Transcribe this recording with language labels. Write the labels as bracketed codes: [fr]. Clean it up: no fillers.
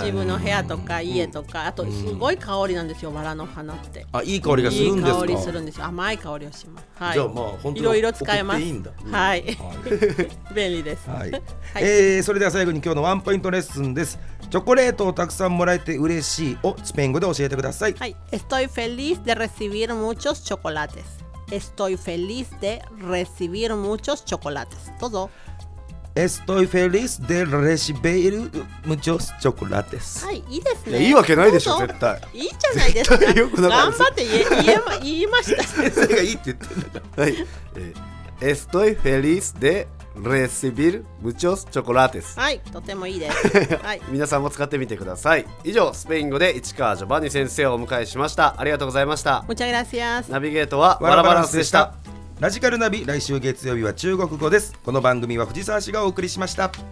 [ja] 自分の部屋とか家とか、あとすごい香りなんですよ、バラの花って。あ、いい香りがするんですか。いい香りするんですよ。甘い香りをします。はい、じゃあまあいろいろ使えます。いいんだ、うん、はい、便利です、はいはい。それでは最後に今日のワンポイントレッスンです。チョコレートをたくさんもらえて嬉しいをスペイン語で教えてください。 [es] はい、Estoy feliz de recibir muchos chocolates. Estoy feliz de recibir muchos chocolates. [ja] どうぞ。 [es] Estoy feliz de recibir muchos chocolates. [ja] はい、いいですね。いや、いいわけないでしょ、絶対。いいじゃないですか。絶対良くなかった。頑張って言いました。先生がいいって言ってるんだから。はい。 [es] Estoy feliz de recibir muchos chocolates. [ja] はい、とてもいいです。皆さんも使ってみてください。以上、スペイン語で市川ジョバンニ先生をお迎えしました。ありがとうございました。 [es] Muchas gracias. [ja] ナビゲートはバラバランスでした。ラジカルナビ、来週月曜日は中国語です。この番組は藤沢市がお送りしました。